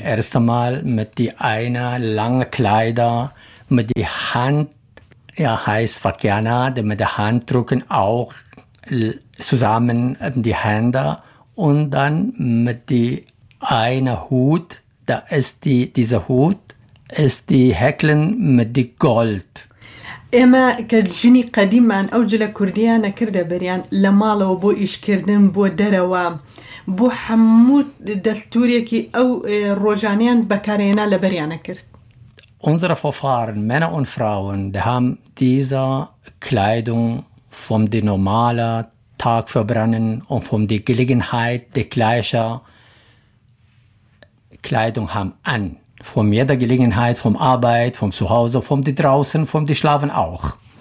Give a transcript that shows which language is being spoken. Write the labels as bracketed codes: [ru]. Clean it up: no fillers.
[de] Erst einmal mit die einer langen Kleider, mit die Hand, ja heißt Fakiana, mit der Hand drücken auch zusammen die Hände. Und dann mit die einer Hut, da ist die, dieser Hut, ist die Häkeln mit die Gold. [ckb] اما که جنی قدیم من او جل کردیان نکرده بریان لما لو بو ایش کردن بو دروا بو حمو دستوری که او روژانیان بکارینا لبریان نکرد [de] Unsere Vorfahren, Männer und Frauen, die haben diese Kleidung vom die normale Tag verbrennen und vom die Gelegenheit die gleiche Kleidung haben an. Von jeder Gelegenheit, vom Arbeit, vom Zuhause, vom die draußen, vom die schlafen auch.